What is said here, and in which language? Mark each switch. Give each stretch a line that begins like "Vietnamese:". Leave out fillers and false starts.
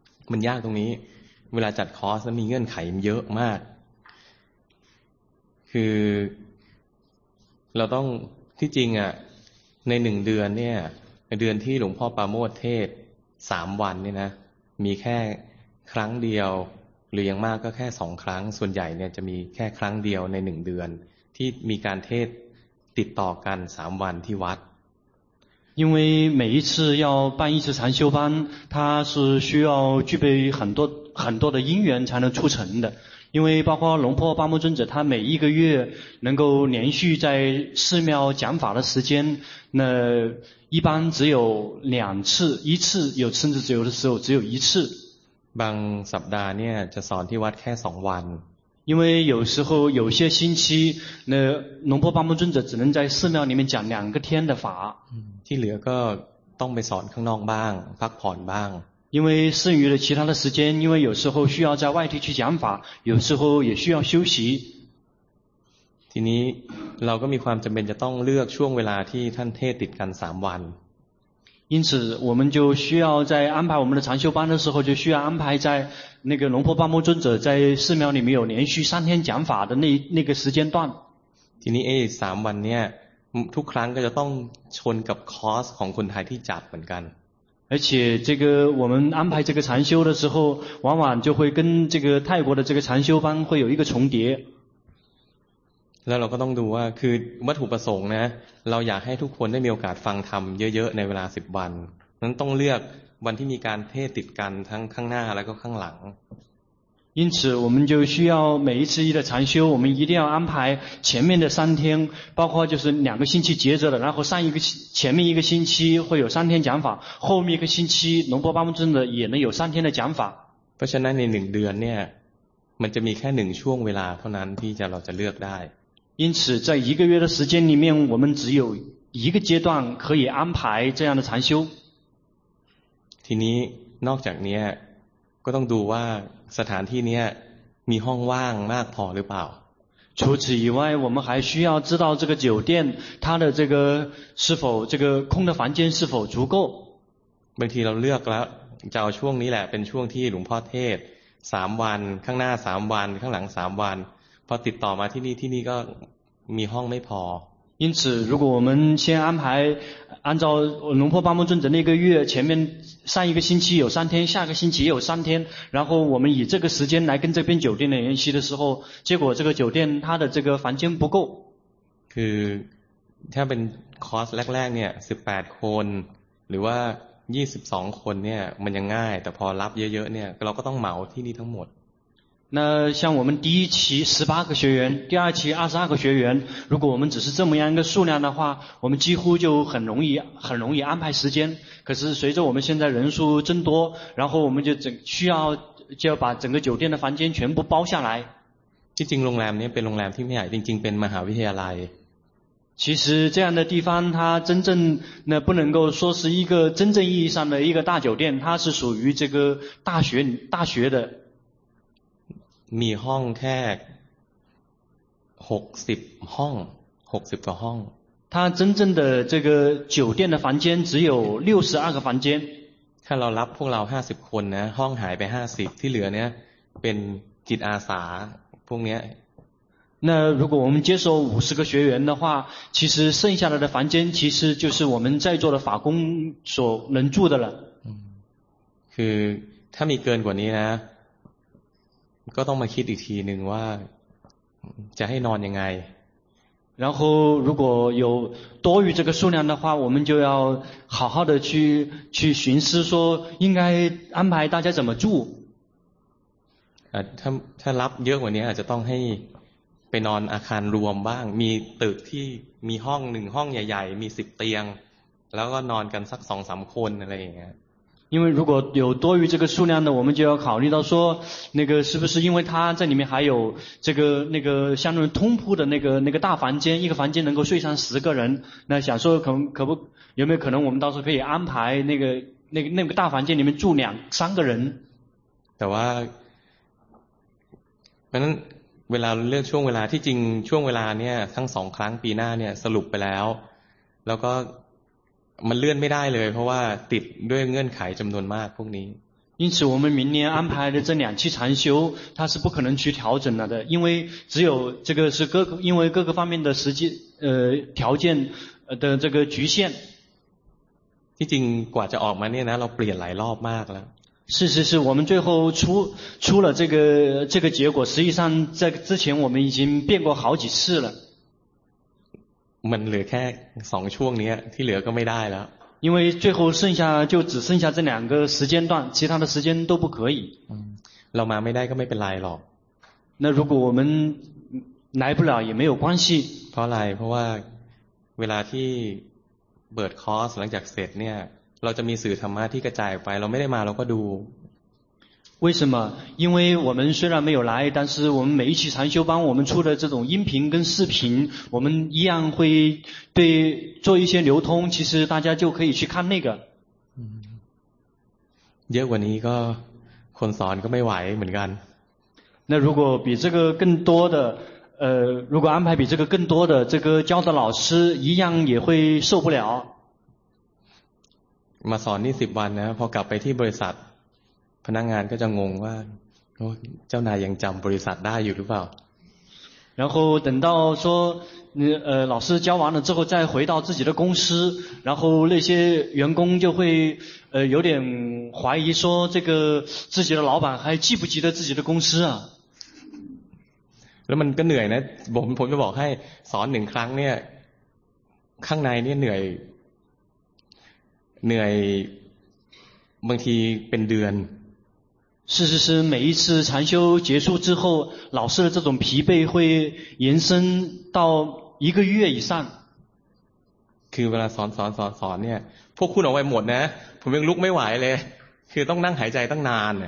Thai: มันยากตรงนี้เวลาจัดคอร์สมีเงื่อนไขเยอะมากคือเราต้องที่จริงอ่ะในหนึ่งเดือนเนี่ยในเดือนที่หลวงพ่อปราโมชเทศ3วันเนี่ยนะมีแค่ครั้งเดียว หรืออย่างมากก็แค่2ครั้งส่วนใหญ่เนี่ยจะมีแค่ครั้งเดียวใน1เดือนที่มีการเทศติดต่อกัน3วันที่วัด
Chinese: 因为每一次要办一次禅修班它是需要具备很多很多的因缘才能促成的因为包括龙婆巴木尊者他每一个月能够连续在寺庙讲法的时间那一般只有两次一次有甚至只有的时候只有一次
Thai: บางสัปดาห์เนี่ยจะสอนที่วัดแค่2วัน
Chinese: 因为有时候有些星期那龙婆巴木尊者只能在寺庙里面讲两个天的法
Thai: ที่เหลือก็ต้องไปสอนข้างนอกบ้างพักผ่อนบ้าง
Chinese: 因为剩余的其他的时间因为有时候需要在外地去讲法有时候也需要休息
Thai: ทีนี้เราก็มีความจำเป็นจะต้องเลือกช่วงเวลาที่ท่านเทศติดกัน3วัน
Chinese: 因此我们就需要在安排我们的禅修班的时候就需要安排在那个龙婆巴木尊者在寺庙里面有连续三天讲法的那个时间段
Thai: ทีนี้3วันเนี่ยทุกครั้งก็จะต้องชนกับคอร์สของคนไทยที่จัดเหมือนกัน
Chinese: 而且这个我们安排这个禅修的时候往往就会跟这个泰国的这个禅修班会有一个重叠
Thai: แล้วเราก็ต้องดูว่าคือวัตถุประสงค์นะเราอยากให้ทุกคนได้มีโอกาสฟังธรรมเยอะๆในเวลา10วันนั้นต้องเลือกวันที่มีการเทศติดกันทั้งข้างหน้าแล้วก็ข้างหลัง
Chinese: 因此我们就需要每一次的禅修我们一定要安排前面的三天包括就是两个星期接着的然后上一个前面一个星期会有三天讲法后面一个星期龙婆巴木尊者也能有三天的讲法
Thai: เพราะฉะนั้นใน1เดือนเนี่ยมันจะมีแค่1ช่วงเวลาเท่านั้นที่เราจะเลือกได้
Chinese: 因此在一个月的时间里面我们只有一个阶段可以安排这样的禅修
Thai: ทีนี้นอกจากนี้ก็ต้องดูว่าสถานที่นี้มีห้องว่างมากพอหรือเปล่า
Chinese: 除此以外我们还需要知道这个酒店它的这个是否这个空的房间是否足够
Thai: บางทีเราเลือกแล้วจะเอาช่วงนี้แหละเป็นช่วงที่หลวงพ่อเทศ3วันข้างหน้า3วันข้างหลัง3วันพอติดต่อมาที่นี่ที่นี่ก็มีห้องไม่พ
Chinese: อ因此如果我们先安排按照龙婆巴木尊者那个月前面上一个星期有三天下个星期有三天然后我们以这个时间来跟这边酒店的联系的时候结果这个酒店它的这个房间不够
Thai: คือถ้าเป็นคอร์สแรกๆเนี่ย18คนหรือว่า22คนเนี่ยมันยังง่ายแต่พอรับเยอะๆเนี่ยเราก็ต้องเหมาที่นี่ทั้งหมด
Chinese: 那像我们第一期18个学员第二期22个学员如果我们只是这么样一个数量的话我们几乎就很容易安排时间可是随着我们现在人数增多然后我们就要把整个酒店的房间全部包下来
Thai: ที่จริงโรงแรมเนี่ยเป็นโรงแรมที่ไม่ใหญ่จริงๆเป็นมหาวิทยาลัย
Chinese: 其实这样的地方它真正那不能够说是一个真正意义上的一个大酒店它是属于这个大学的
Thai: มีห้องแค่60ห้อง60กว่าห้อง
Chinese: 它真正的这个酒店的房间只有62个房间
Thai: ถ้าเรารับพวกเรา50คนนะห้องหายไป50ที่เหลือเนี่ยเป็นจิตอาสาพวกเนี้ย
Chinese: 那如果我们接收50个学员的话其实剩下来的房间其实就是我们在座的法工所能住的了
Thai: คือถ้ามีเกินกว่านี้นะก็ต้องมาคิดอีกทีหนึ่งว่าจะให้นอนยังไง
Chinese: 然后如果有多余这个数量的话我们就要好好的去寻思说应该安排大家怎么住
Thai: ถ้ารับเยอะกว่านี้อาจจะต้องให้ไปนอนอาคารรวมบ้างมีตึกที่มีห้องหนึ่งห้องใหญ่ๆมี10เตียงแล้วก็นอนกันสัก 2-3 คนอะไรอย่างเงี้ย
Chinese: 因为如果有多余这个数量的我们就要考虑到说那个是不是因为他在里面还有这个那个相当于通铺的那个大房间一个房间能够睡上十个人那想说可不有没有可能我们到时候可以安排那个大房间里面住两三个人
Thai: แต่ว่าเพราะฉะนั้นเวลาเลือกช่วงเวลาที่จริงช่วงเวลาเนี่ยทั้ง2ครั้งปีหน้าเนี่ยสรุปไปแล้วแล้วก็มันเลื่อนไม่ได้เลยเพราะว่าติดด้วยเงื่อนไขจำนวนมากพวกนี้
Chinese: 因此我们明年安排的这两期禅修它是不可能去调整了的因为只有这个是各个方面的实际条件的这个局限
Thai: ที่จริงกว่าจะออกมาเนี่ยนะเราเปลี่ยนหลายรอบมากแล้ว
Chinese: 是是是，我们最后出了这个结果，实际上在之前我们已经变过好几次了。
Thai: มันเหลือแค่สองช่วงนี้ที่เหลือก็ไม่ได้แล้ว。
Chinese: 因为最后剩下就只剩下这两个时间段，其他的时间都不可以。
Thai: เรามาไม่ได้ก็ไม่เป็นไรหรอก。
Chinese: 那如果我们来不了也没有关系。
Thai: เพราะอะไรเพราะว่าเวลาที่เปิดคอร์สหลังจากเสร็จเนี่ยเราจะมีสื่อธรรมะที่กระจายไปเราไม่ได้มาเราก็ดู
Chinese: 为什么因为我们虽然没有来但是我们每一期禅修班我们出的这种音频跟视频我们一样会对做一些流通其实大家就可以去看那个
Thai: เยอะกว่านี้ก็คนสอนก็ไม่ไหวเหมือนกัน
Chinese: 那如果比这个更多的如果安排比这个更多的这个教的老师一样也会受不了
Thai: มาสอนนี่10วันนะพอกลับไปที่บริษัทพนักงานก็จะงงว่าเจ้านายยังจำบริษัทได้อยู่หรือเปล่า
Chinese: 然后等到说老师教完了之后再回到自己的公司然后那些员工就会有点怀疑说这个自己的老板还记不记得自己的公司啊
Thai: แล้วมันก็เหนื่อยนะผมจะบอกให้สอนหนึ่งครั้งเนี่ยข้างในเนี่ยเหนื่อยบางทีเป็นเดือน
Chinese: 是是是每一次禅修结束之后老师的这种疲惫会延伸到一个月以上
Thai: คือเวลาสอนเนี่ยพวกคุณเอาไว้หมดนะผมยังลุกไม่ไหวเลยคือต้องนั่งหายใจตั้งนานเนี